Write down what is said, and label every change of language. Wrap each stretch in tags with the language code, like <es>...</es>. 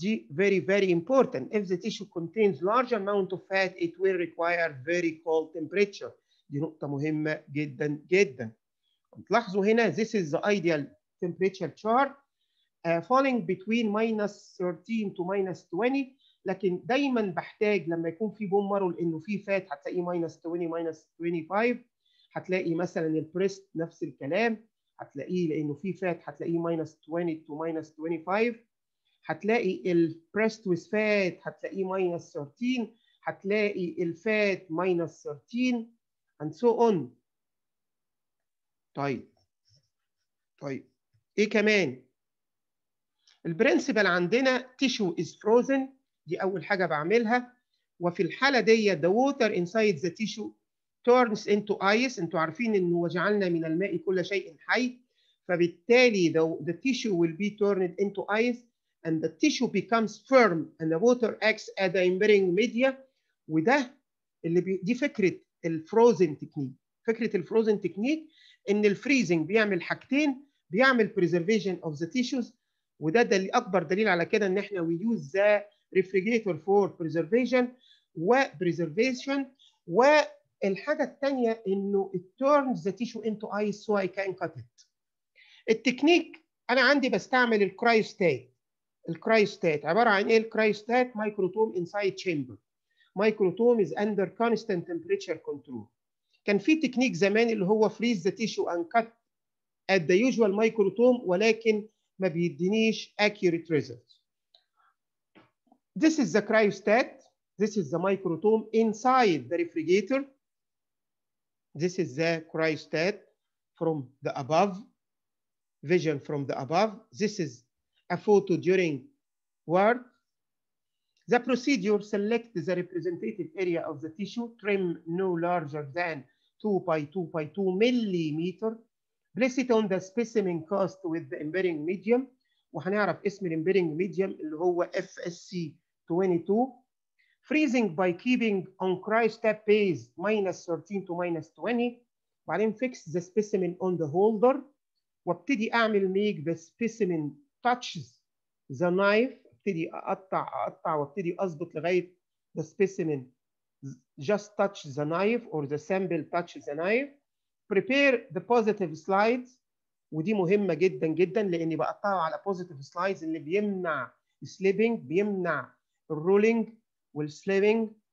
<en>Very, very important. If the tissue contains large amount of fat, it will require very cold temperature.</en> <ar>دي نقطة مهمة جدا جدا. تلاحظوا هنا,</ar> <en>this is the ideal temperature chart, falling between minus 13 to minus 20.</en> <ar>لكن دايما بحتاج لما يكون في بون مارو لانه في فات هتلاقيه</ar> <en>minus 20, minus 25.</en> <ar>هتلاقي مثلا البريست نفس الكلام, هتلاقيه لانه في فات هتلاقيه</ar> <en>minus 20 to minus 25.</en> <ar>هتلاقي البريست</ar> <en>with fat هتلاقيه minus 13,</en> <ar>هتلاقي الفات</ar> <en>minus 13 and so on.</en> <ar>طيب ايه كمان البرنسبل عندنا,</ar> <en>tissue is frozen,</en> <ar>دي اول حاجه بعملها. وفي الحاله دي</ar> <en>the water inside the tissue turns into ice.</en> <ar>انتوا عارفين انه وجعلنا من الماء كل شيء حي, فبالتالي</ar> <en>the tissue will be turned into ice and the tissue becomes firm and the water acts as the embedding media.</en> <ar>وده اللي دي فكره الفروزن تكنيك. فكره الفروزن تكنيك ان الفريزنج بيعمل حاجتين, بيعمل</ar> <en>preservation of the tissues,</en> <ar>وده اكبر دليل على كده ان احنا</ar> <en>we use the refrigerator for preservation</en> <ar>و preservation. والحاجه الثانيه انه</ar> <en>it turns the tissue into ice so I can cut it.</en> <ar>التكنيك انا عندي بستعمل الكرايوستات. الكرايوستات عباره عن ايه؟ الكرايوستات</ar> <en>Microtome inside chamber. Microtome is under constant temperature control.</en> <ar>كان في تكنيك زمان اللي هو</ar> <en>freeze the tissue and cut at the usual microtome,</en> <ar>ولكن ما بيدينيش</ar> <en>Accurate result. This is the cryostat. This is the microtome inside the refrigerator. This is the cryostat from the above. Vision from the above. This is a photo during work. The procedure, select the representative area of the tissue, trim no larger than 2 by 2 by 2 millimeter, place it on the specimen cast with the embedding medium.</en> <ar>وحنعرف اسم</ar> <en>embedding medium</en> <ar>اللي هو FSC22.</ar> <en>Freezing by keeping on cryostat base minus 13 to minus 20. وبعدين fix the specimen on the holder.</en> <ar>وابتدي اعمل</ar> <en>make the specimen touches the knife.</en> <ar>ابتدي اقطع اقطع وابتدي اظبط لغايه</ar> <en>the specimen just touch the knife or the sample touch the knife. Prepare the positive slides,</en> <ar>ودي مهمه جدا جدا لاني بقطعه على positive slides اللي بيمنع slipping, بيمنع rolling والسليبنج.</ar>